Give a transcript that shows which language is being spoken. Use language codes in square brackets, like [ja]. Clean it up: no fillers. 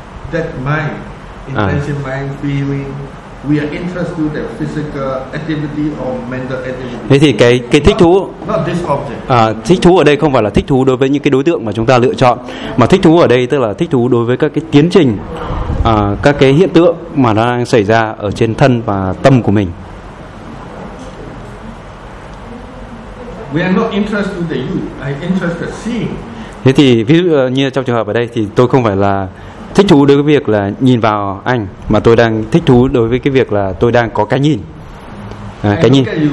[en] That mind, intention, mind, feeling, we are interested in the physical activity or mental activity. [vi] Thế thì cái thích thú, [en] not this object. [vi] Thích thú ở đây không phải là thích thú đối với những cái đối tượng mà chúng ta lựa chọn, mà thích thú ở đây tức là thích thú đối với các cái tiến trình, các cái hiện tượng mà nó đang xảy ra ở trên thân và tâm của mình. [en] We are not interested in the you, I interested in seeing. [vi] Thế thì ví dụ như trong trường hợp ở đây thì tôi không phải là thích thú đối với việc là nhìn vào anh, mà tôi đang thích thú đối với cái việc là tôi đang có cái nhìn, cái nhìn.